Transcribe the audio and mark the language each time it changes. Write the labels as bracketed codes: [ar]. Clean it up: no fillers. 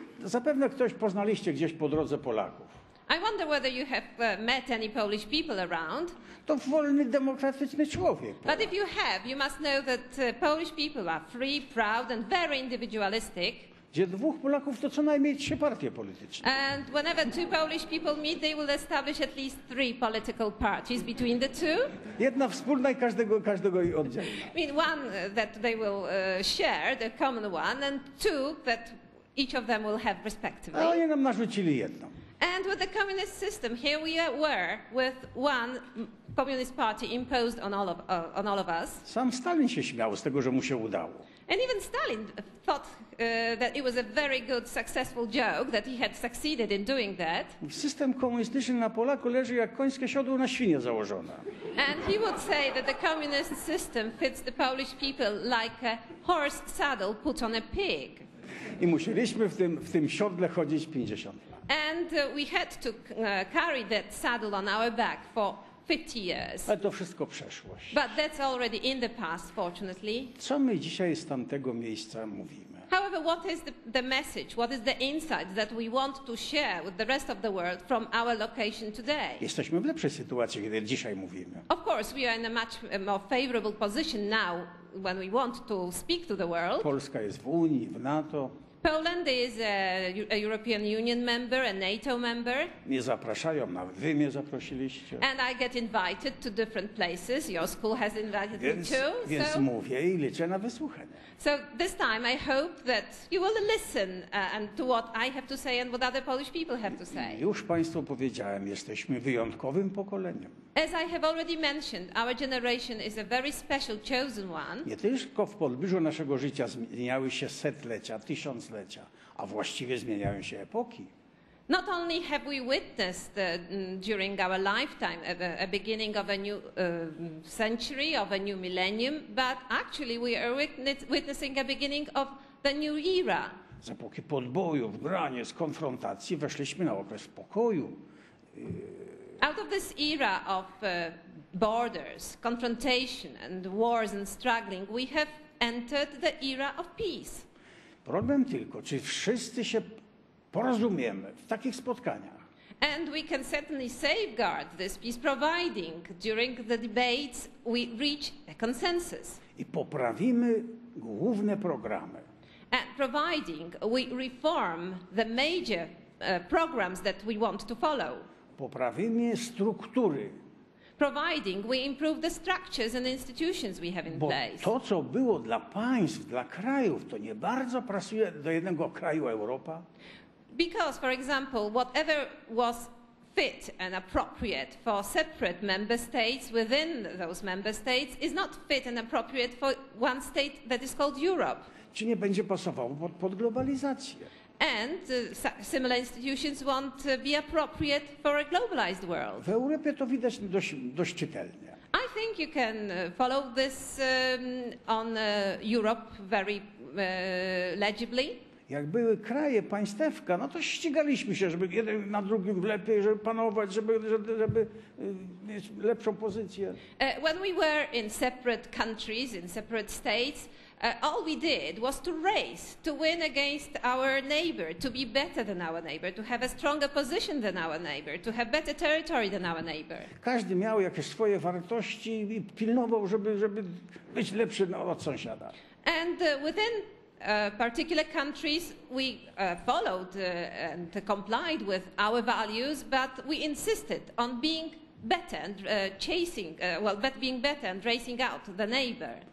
[pl] Zapewne ktoś poznaliście gdzieś po drodze Polaków. [en] I wonder whether you have met any Polish people around. [pl] To wolny, demokratyczny człowiek. Polak. [en] But if you have, you must know that Polish people are free, proud and very individualistic. [pl] Gdzie dwóch Polaków to co najmniej trzy partie polityczne. [en] And whenever two Polish people meet, they will establish at least three political parties between the two. [pl] Jedna wspólna i każdego oddzielna. [en] I mean one that they will share, the common one, and two that each of them will have respectively. [pl] A oni nam narzucili jedną. [en] And with the communist system, here we were with one communist party imposed on all of us. [pl] Sam Stalin się śmiał z tego, że mu się udało. [en] And even Stalin thought that it was a very good successful joke that he had succeeded in doing that. [pl] System komunistyczny na Polaku leży jak końskie siodło na świnie założone. [en] And he would say that the communist system fits the Polish people like a horse saddle put on a pig. [pl] I musieliśmy w tym siodle chodzić 50 lat. [en] And we had to carry that saddle on our back for 50 years. [pl] Ale to wszystko przeszłość. [en] But that's already in the past, fortunately. [pl] Co my dzisiaj z tamtego miejsca mówimy? [en] However, what is the message, what is the insight that we want to share with the rest of the world from our location today? [pl] Jesteśmy w lepszej sytuacji, kiedy dzisiaj mówimy. [en] Of course, we are in a much more favorable position now when we want to speak to the world. [pl] Polska jest w Unii, w NATO. [en] Poland is a European Union member, a NATO member. [pl] Mnie zapraszają, nawet wy mnie zaprosiliście. [en] And I get invited to different places. Your school has invited me too. [pl] Więc mówię i liczę na wysłuchanie. [en] So this time I hope that you will listen and to what I have to say and what other Polish people have to say. [pl] Już państwu powiedziałem, jesteśmy wyjątkowym pokoleniem. [en] As I have already mentioned, our generation is a very special chosen one. [pl] Nie tylko w podbliżu naszego życia zmieniały się setlecia, tysiąclecia, a właściwie zmieniają się epoki. [en] Not only have we witnessed during our lifetime a beginning of a new century, of a new millennium, but actually we are witnessing a beginning of the new era. [pl] Z epoki podboju, w granie, z konfrontacji weszliśmy na okres pokoju. [en] Out of this era of borders, confrontation and wars and struggling, we have entered the era of peace. [pl] Problem tylko, czy wszyscy się porozumiemy w takich spotkaniach. [en] And we can certainly safeguard this peace providing during the debates we reach a consensus. [pl] I poprawimy główne programy. [en] And providing we reform the major programs that we want to follow. [pl] Poprawimy struktury. [en] Providing we improve the structures and institutions we have in [pl] bo [en] place. [pl] To, co było dla państw, dla krajów, to nie bardzo pasuje do jednego kraju Europa. [en] Because, for example, whatever was fit and appropriate for separate member states within those member states is not fit and appropriate for one state that is called Europe. [pl] Czy nie będzie pasowało pod globalizację? [en] And similar institutions won't be appropriate for a globalized world. [pl] W Europie to widać dość czytelnie. [en] I think you can follow this on Europe very legibly. [pl] Jak były kraje, państewka, no to ścigaliśmy się, żeby jeden na drugim lepiej, żeby panować, żeby mieć lepszą pozycję. [en] When we were in separate countries, in separate states, all we did was to race, to win against our neighbor, to be better than our neighbor, to have a stronger position than our neighbor, to have better territory than our neighbor. [pl] Każdy miał jakieś swoje wartości i pilnował, żeby być lepszy od sąsiada. [en] And within particular countries, we followed and complied with our values, but we insisted on being better and being better and racing out the neighbor.